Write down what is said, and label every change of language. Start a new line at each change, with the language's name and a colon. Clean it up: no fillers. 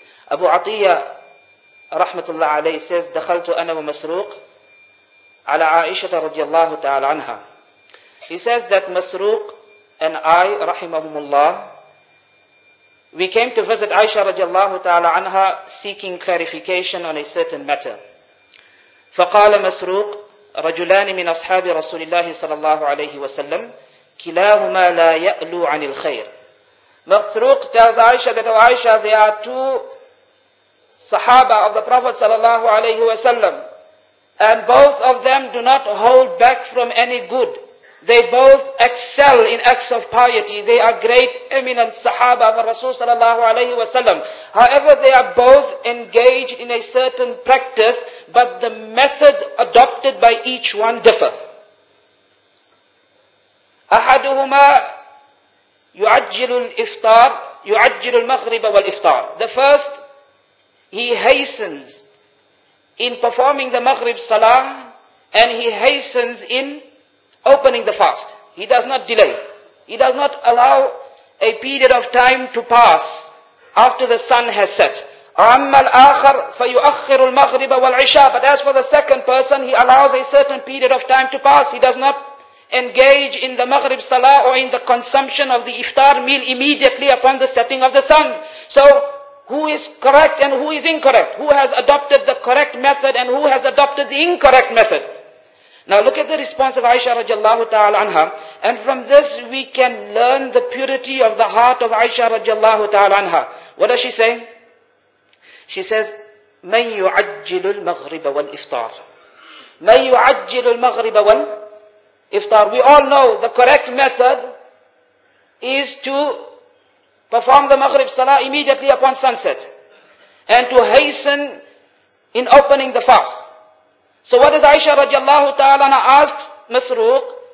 Arabic: Abu Atiyah rahmatullah alayhi
English: says,
Arabic: "Dakhaltu ana wa Masruq ala Aisha radiyallahu ta'ala anha."
English: He says that Masruq and I, rahimahumullah, we came to visit Aisha radiyallahu ta'ala anha seeking clarification on a certain matter.
Arabic: فقال مسروق رجلان من أصحاب رسول الله صلى الله عليه وسلم كلاهما لا يألو عن الخير.
English: مسروق tells Aisha that, oh Aisha, there are two Sahaba of the Prophet صلى الله عليه وسلم, and both of them do not hold back from any good. They both excel in acts of piety. They are great, eminent Sahaba of Rasul sallallahu alayhi wa sallam. However, they are both engaged in a certain practice, but the methods adopted by each one differ.
Arabic: أحدهما يعجل الإفطار يعجل المغرب والإفطار.
English: The first, he hastens in performing the Maghrib Salah, and he hastens in opening the fast. He does not delay. He does not allow a period of time to pass after the sun has set.
Arabic: أَمَّا الْآخَرْ فَيُؤَخِّرُ الْمَغْرِبَ وَالْعِشَاءَ.
English: But as for the second person, he allows a certain period of time to pass. He does not engage in the Maghrib Salah or in the consumption of the iftar meal immediately upon the setting of the sun. So, who is correct and who is incorrect? Who has adopted the correct method and who has adopted the incorrect method? Now look at the response of Aisha radiallahu ta'ala anha. And from this we can learn the purity of the heart of Aisha radiallahu ta'ala anha. What does she say? She says,
Arabic: مَنْ يُعَجِّلُ الْمَغْرِبَ وَالْإِفْطَارِ. مَنْ يُعَجِّلُ الْمَغْرِبَ وَالْإِفْطَارِ.
English: We all know the correct method is to perform the Maghrib Salah immediately upon sunset, and to hasten in opening the fast. So what does Aisha radiallahu ta'ala ask Masruq?